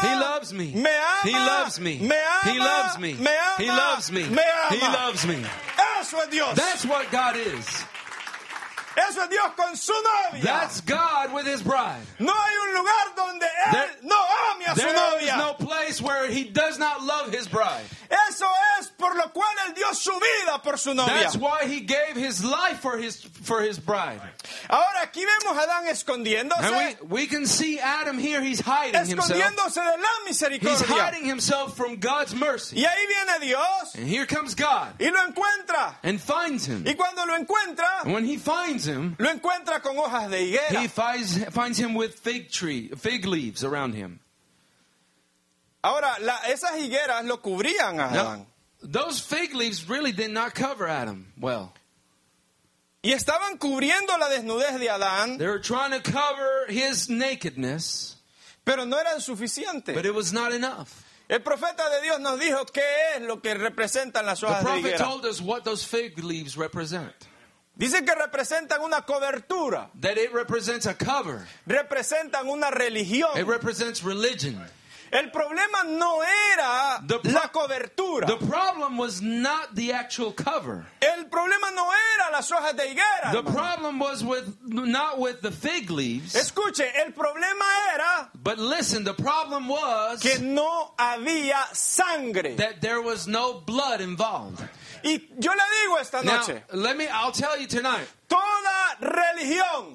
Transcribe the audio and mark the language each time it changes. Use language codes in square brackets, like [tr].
[en] He loves me. [es] Me ama. [en] He loves me. [es] Me ama. [en] He loves me. [es] Me ama. [en] He loves me. [es] Me ama. [en] He loves me. [es] Eso es Dios. [en] That's what God is. [es] Eso es Dios con su novia. [en] That's God with his bride. [es] No hay un lugar donde él no ame a su novia. [en] There is no place where he does not love his bride. [es] Eso es por lo cual él dio su vida por su novia. [en] That's why he gave his life for his bride. [es] Ahora aquí vemos a Adán escondiéndose. [en] And we can see Adam here, he's hiding [es] escondiéndose [en] himself. [es] De la misericordia. [en] He's hiding himself from God's mercy. [es] Y ahí viene Dios. [en] And here comes God. [es] Y lo encuentra. [en] And finds him. [es] Y cuando lo encuentra, [en] and when he finds him, [es] lo encuentra con hojas de higuera. [en] He finds him with fig leaves around him. [es] Ahora, esas higueras lo cubrían a Adán. [en] Those fig leaves really did not cover Adam well. [es] Y estaban cubriendo la desnudez de Adán. [en] They were trying to cover his nakedness. [es] Pero no eran suficientes. [en] But it was not enough. [es] El profeta de Dios nos dijo qué es lo que representan las hojas de higuera. [en] The prophet told us what those fig leaves represent. [es] Dicen que representan una cobertura. [en] That it represents a cover. [es] Representan una religión. [en] It represents religion. [es] El problema no era la cobertura. [en] The problem was not the actual cover. [es] El problema no era las hojas de higuera. [en] The problem was with not with the fig leaves. [es] Escuche, el problema era. [en] But listen, the problem was [es] que no había sangre. [en] That there was no blood involved. [es] Y yo le digo esta noche. [en] Now, I'll tell you tonight. [es] Toda religión,